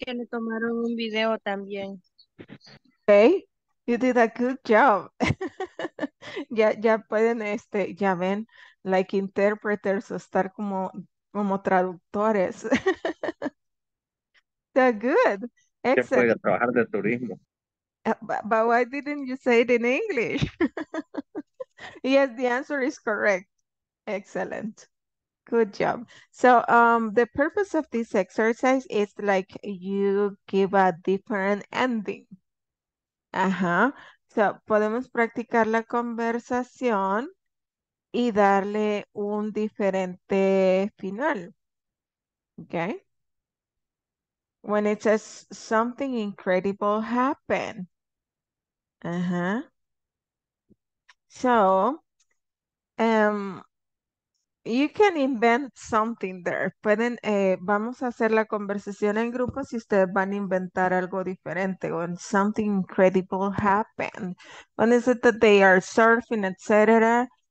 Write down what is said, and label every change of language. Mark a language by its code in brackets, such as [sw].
[es] Que le tomaron un video también. [en] Okay. You did a good job. [es] ya pueden, ya ven, [en] like interpreters [es] o estar como traductores. [en] So good. Excellent. [es] Que puede trabajar de turismo. [en] But why didn't you say it in English? Yes, the answer is correct. Excellent. Good job. So the purpose of this exercise is like you give a different ending. Uh-huh. [es] So podemos practicar la conversación y darle un diferente final. [en] Okay. When it says something incredible happened. Uh-huh. So, you can invent something there. [es] Pueden, vamos a hacer la conversación en grupo si ustedes van a inventar algo diferente. [en] When something incredible happened. When is it that they are surfing, etc.